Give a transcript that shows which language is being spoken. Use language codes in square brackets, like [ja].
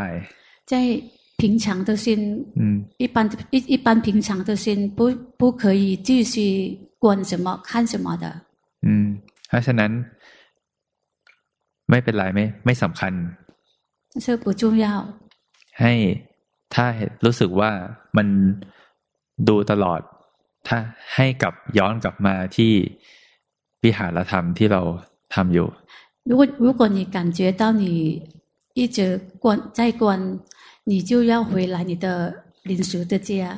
[zh] ใช่平常的心一般平常的心不可以继续观什么看什么的 [th] เพราะฉะนั้นไม่เป็นไรไม่สำคัญ [zh] 是不重要 [th] ให้ถ้ารู้สึกว่ามันดูตลอดถ้าให้กลับย้อนกลับมาที่วิหารธรรมที่เราทำอยู่ [zh] 如果你感觉到你一直观在观你就要回来你的临时的家